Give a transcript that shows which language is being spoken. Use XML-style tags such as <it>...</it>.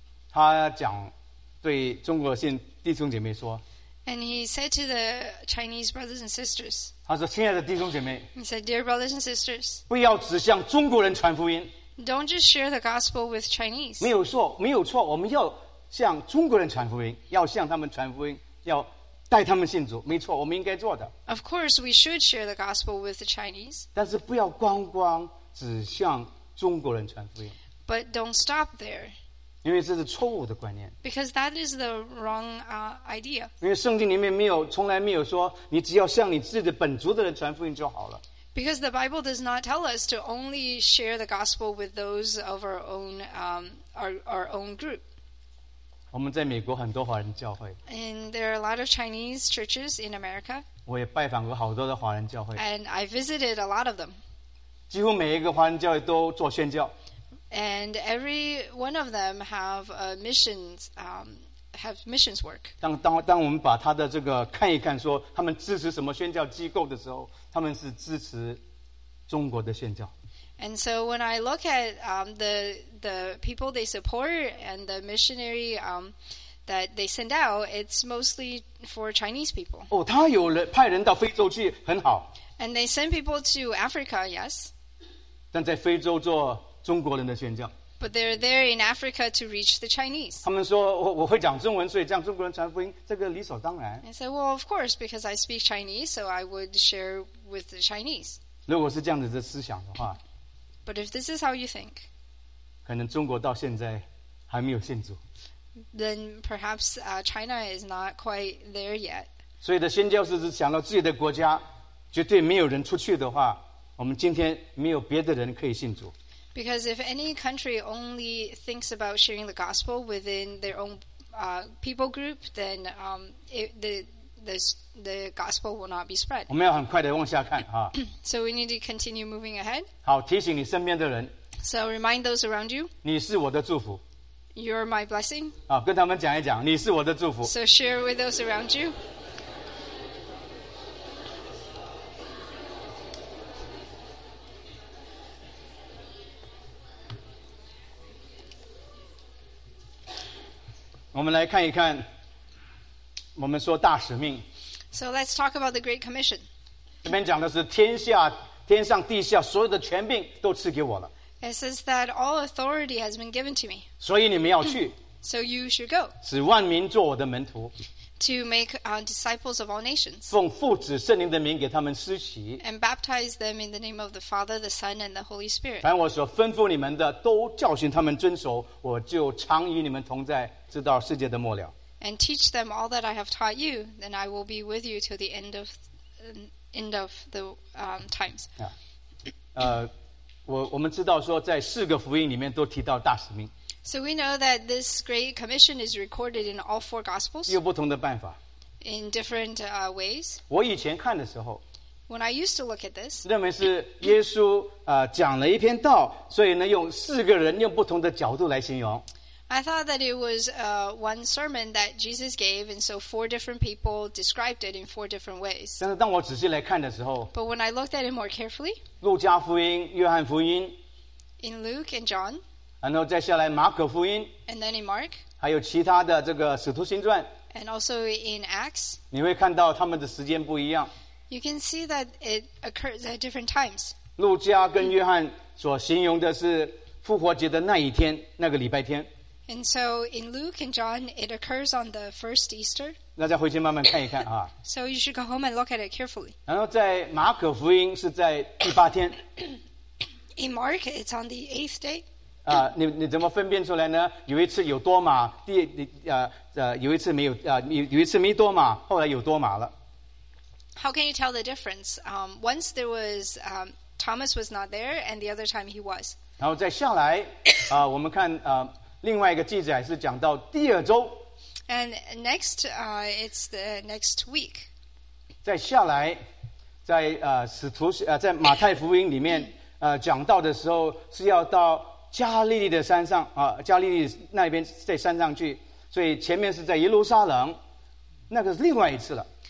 <zh>他讲对中国信弟兄姐妹说。</zh> <en>And he said to the Chinese brothers and sisters.</en> <zh>他说：“亲爱的弟兄姐妹。</zh> <en>”He said, "Dear brothers and sisters."</en> <zh>不要只向中国人传福音。</zh> <en>Don't just share the gospel with Chinese.</en> <zh>没有错，没有错。我们要向中国人传福音，要向他们传福音，要。带他们信主，没错，我们应该做的。</zh> <en>Of course, we should share the gospel with the Chinese.</en> <zh>但是不要光光只向中国人传福音。</zh> <en>But don't stop there.</en> <zh>因为这是错误的观念。</zh> <en>Because that is the wrong idea.</en> <zh>因为圣经里面没有，从来没有说你只要向你自己的本族的人传福音就好了。</zh> <en>Because the Bible does not tell us to only share the gospel with those of our own group.</en> <zh>我们在美国很多华人教会。</zh> <en>And there are a lot of Chinese churches in America.</en> <zh>我也拜访过好多的华人教会。</zh> <en>And I visited a lot of them.</en> <zh>几乎每一个华人教会都做宣教。</zh> <en>And every one of them have missions work.</en> <zh>当我们把他的这个看一看，说他们支持什么宣教机构的时候，他们是支持中国的宣教。</zh> <en>And so when I look at the people they support and the missionary that they send out, it's mostly for Chinese people.</en> <zh>Oh, 他有人派人到非洲去，很好。</zh> <en>And they send people to Africa, yes.</en> <zh>但在非洲做中国人的宣教。</zh> <en>But they're there in Africa to reach the Chinese.</en> <zh>他们说我会讲中文，所以向中国人传福音，这个理所当然。</zh> <en>I said, well, of course, because I speak Chinese, so I would share with the Chinese.</en> <zh>如果是这样子的思想的话。</zh> <en>But if this is how you think,</en> <zh>可能中国到现在还没有信主。</zh> <en>Then perhaps China is not quite there yet.</en> <zh>所以的宣教士是想到自己的国家绝对没有人出去的话，我们今天没有别的人可以信主。</zh> <en>Because if any country only thinks about sharing the gospel within their own people group, then the gospel will not be spread.</en> <zh>我们要很快的往下看啊。</zh> <en>So we need to continue moving ahead.</en> <zh>好，提醒你身边的人。</zh> <en>So remind those around you.</en> <zh>你是我的祝福。</zh> <en>You're my blessing.</en> <zh>好，跟他们讲一讲，你是我的祝福。</zh> <en>So share with those around you.</en> <zh>我们来看一看，我们说大使命。</zh> <en>So let's talk about the Great Commission.</en> <zh>这边讲的是天上地下所有的权柄都赐给我了。</zh> <en>It says that all authority has been given to me.</en> <zh>所以你们要去。</zh> <en>So you should go.</en> <zh>使万民做我的门徒。</zh> <en>To make disciples of all nations.</en> <zh>奉父子圣灵的名给他们施洗。</zh> <en>And baptize them in the name of the Father, the Son, and the Holy Spirit.</en> <zh>凡我所吩咐你们的，都教训他们遵守，我就常与你们同在，直到世界的末了。</zh> <en>And teach them all that I have taught you, then I will be with you till the end of the times.</en> <zh>我们知道说，在四个福音里面都提到大使命。</zh> <en>So we know that this great commission is recorded in all four gospels.</en> <zh>有不同的办法。</zh> <en>In different ways.</en> <zh>我以前看的时候</zh> <en>，When I used to look at this,</en> <zh>认为是耶稣讲了一篇道，所以呢用四个人用不同的角度来形容。</zh> <en>I thought that it was one sermon that Jesus gave, and so four different people described it in four different ways.</en> <zh>但是当我仔细来看的时候</zh> <en>，But when I looked at it more carefully,</en> <zh>路加福音、约翰福音</zh> <en>，In Luke and John,</en> <zh>然后再下来马可福音</zh> <en>，And then in Mark,</en> <zh>还有其他的这个使徒行传</zh> <en>，And also in Acts,</en> <zh>你会看到他们的时间不一样。</zh> <en>You can see that it occurs at different times.</en> <zh>路加跟约翰所形容的是复活节的那一天，那个礼拜天。</zh> <en>And so in Luke and John, it occurs on the first Easter.</en> <zh>大家回去慢慢看一看啊。</zh> <en>So you should go home and look at it carefully.</en> <zh>然后在马可福音是在第八天。</zh> <en>In Mark, it's on the eighth day.</en> <zh>你怎么分辨出来呢？有一次有多马，有一次没有有一次没多马，后来有多马了。</zh> <en>How can you tell the difference? Once there was Thomas was not there, and the other time he was.</en> <zh>然后再下来我们看另外一个记载是讲到第二周</zh> <en>，and next, it's the next week.</en> <zh>再下来，在使徒在马太福音里面讲到的时候是要到加利利的山上加利利那边在山上去，所以前面是在耶路撒冷，那个是另外一次了。</zh>